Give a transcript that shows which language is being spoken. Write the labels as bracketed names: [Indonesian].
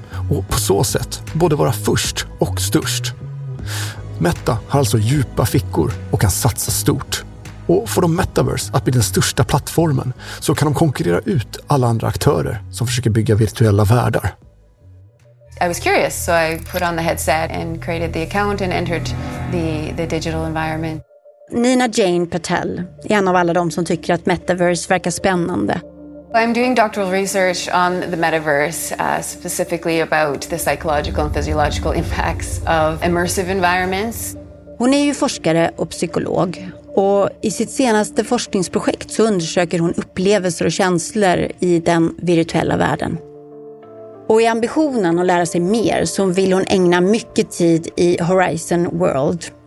[Swedish] Och på så sätt både vara först och störst. Meta har alltså djupa fickor och kan satsa stort. Och får de Metaverse att bli den största plattformen, så kan de konkurrera ut alla andra aktörer som försöker bygga virtuella världar. [English] I was curious, so I put on the headset and created the account and entered the digital environment. [Swedish] Nina Jane Patel är en av alla de som tycker att Metaverse verkar spännande. [English] I'm doing doctoral research on the metaverse, specifically about the psychological and physiological impacts of immersive environments. [Swedish] Hon är ju forskare och psykolog, och i sitt senaste forskningsprojekt så undersöker hon upplevelser och känslor i den virtuella världen. Och i ambitionen att lära sig mer så vill hon ägna mycket tid i Horizon World.